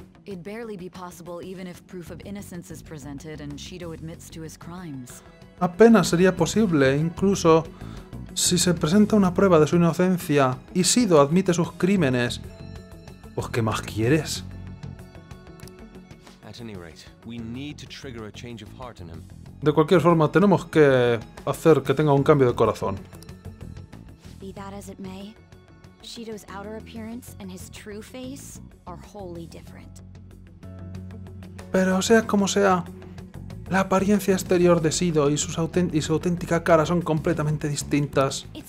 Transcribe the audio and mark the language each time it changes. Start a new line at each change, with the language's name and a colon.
English: It'd barely be possible even if proof of innocence is presented and Shido admits to his crimes.
Spanish: Apenas sería posible, incluso si se presenta una prueba de su inocencia y Shido admite sus crímenes. ¿Pues qué más quieres?
English: At any rate, we need to trigger a change of heart in him.
Spanish: De cualquier forma, tenemos que hacer que tenga un cambio de corazón.
English: Be that as it may, Shido's outer appearance and his true face are wholly different.
Spanish: Pero sea como sea, la apariencia exterior de Shido y su auténtica cara son completamente distintas.